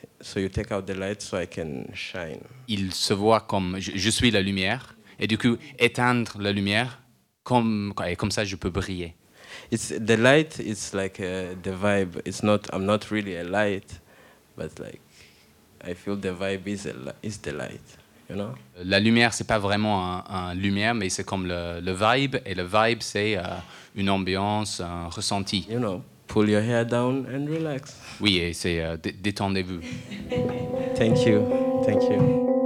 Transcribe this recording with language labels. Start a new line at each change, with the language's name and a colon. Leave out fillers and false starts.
English: So you take out the light so I can shine.
French: Il se voit comme je suis la lumière. Et du coup, éteindre la lumière, comme ça, je peux briller.
English: It's the light. It's like the vibe. It's not. I'm not really a light, but like I feel the vibe is the light. You know.
French: La lumière, c'est pas vraiment un lumière, mais c'est comme le vibe. Et le vibe, c'est une ambiance, un ressenti.
English: You know. Pull your hair down and relax.
French: Oui, et c'est détendez-vous.
English: Thank you. Thank you.